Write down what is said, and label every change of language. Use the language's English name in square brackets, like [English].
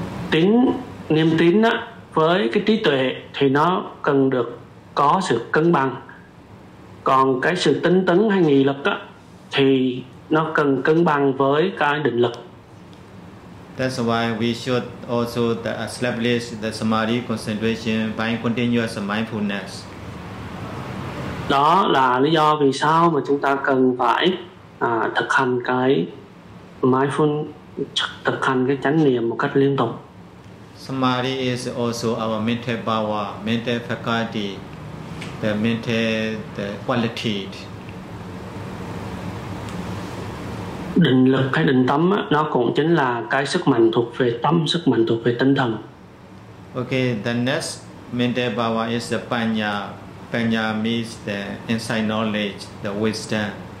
[Vietnamese] Tính niềm tin á, với cái trí tuệ thì nó cần được có sự cân bằng, còn cái sự tinh tấn hay nghị lực á, thì nó cần cân bằng với cái định lực. [English] That's why we should also establish the Samadhi concentration by continuous mindfulness. [Vietnamese] Đó là lý do vì sao mà chúng ta cần phải thực hành cái mindfulness, thực hành cái chánh niệm một cách liên tục. [English] Samadhi is also our mental power, mental faculty, the mental the quality. [Vietnamese] Định lực hay định tâm nó cũng chính là cái sức mạnh thuộc về tâm, sức mạnh thuộc về tinh thần. [English] Okay, the next mental power is the panya. Panya means the inside knowledge, the wisdom.